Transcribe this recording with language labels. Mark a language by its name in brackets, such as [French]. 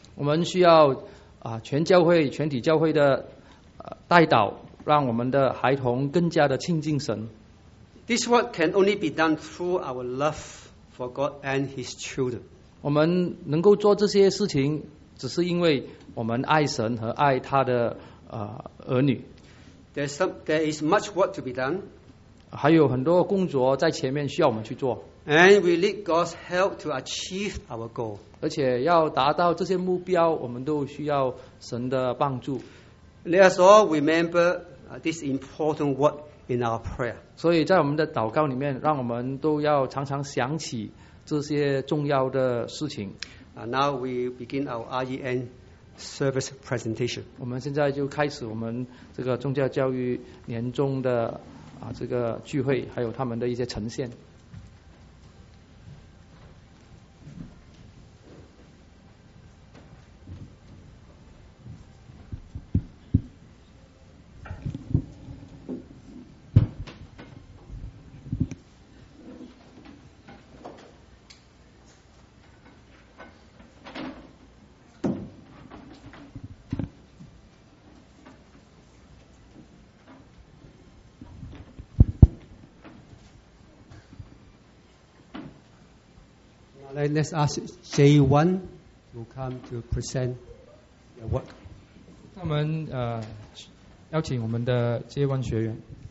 [Chinese] 我们需要全教会、全体教会的带导，让我们的孩童更加的亲近神。 [English] This work can only be done through our love for God and His children. [Chinese] 我们能够做这些事情，只是因为我们爱神和爱他的儿女。 [English] there is much work to be done. [Chinese] 还有很多工作在前面需要我们去做。 [English] And we need God's help to achieve our goal. [Chinese] 而且要达到这些目标，我们都需要神的帮助。 [English] Let us all remember this important word in our prayer. [Chinese] 所以在我们的祷告里面，让我们都要常常想起这些重要的事情。 [English] Now we begin our REN service presentation. [Chinese] 我们现在就开始我们这个宗教教育年终的这个聚会，还有他们的一些呈现。 [English] Let's ask J1 to come to present their work. [Chinese] 我们邀请我们的 J1 学员。